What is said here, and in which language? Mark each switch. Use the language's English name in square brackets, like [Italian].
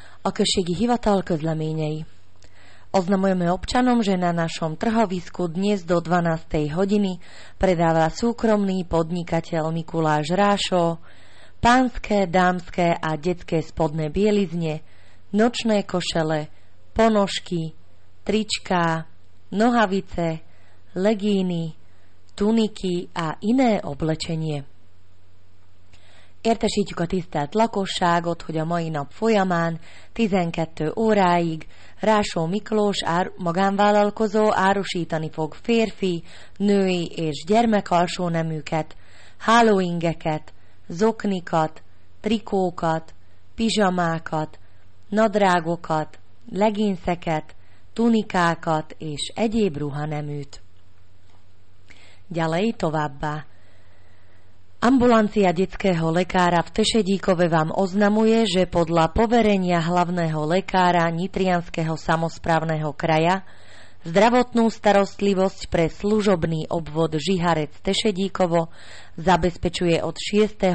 [Hungarian] Okršegi hivatal közleményei. [Slovak] Oznamujeme občanom, že na našom trhovisku dnes do 12. hodiny predáva súkromný podnikateľ Mikuláš Rášo pánske, dámske a detské spodné bielizne, nočné košele, ponožky, trička, nohavice, legíny, tuniky a iné oblečenie. [Hungarian] Értesítjük a tisztelt lakosságot, hogy a mai nap folyamán 12 óráig Rásó Miklós magánvállalkozó árusítani fog férfi, női és gyermek alsóneműket, hálóingeket, zoknikat, trikókat, pizsamákat, nadrágokat, leginszeket, tunikákat és egyéb ruhaneműt. Gyalej továbbá. [Slovak] Ambulancia detského lekára v Tešedíkove vám oznamuje, že podľa poverenia hlavného lekára Nitrianskeho samosprávneho kraja zdravotnú starostlivosť pre služobný obvod Žiharec-Tešedíkovo zabezpečuje od 6.